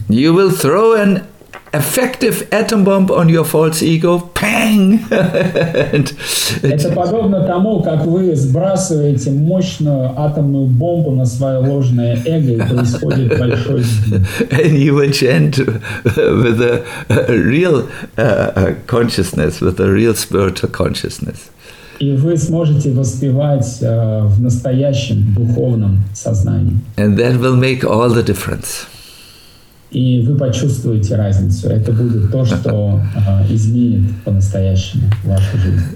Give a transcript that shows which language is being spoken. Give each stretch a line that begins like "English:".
English: You will throw an effective atom bomb on your false ego, bang!
Russian: Это подобно тому, как вы сбрасываете мощную атомную бомбу на свое ложное эго, и происходит большой.
English: And you will chant with a real consciousness, with a real spiritual consciousness.
Russian: И вы сможете воспевать в настоящем духовном сознании.
English: And that will make all the difference.
Russian: И вы почувствуете разницу. Это будет то, что изменит по-настоящему вашу жизнь.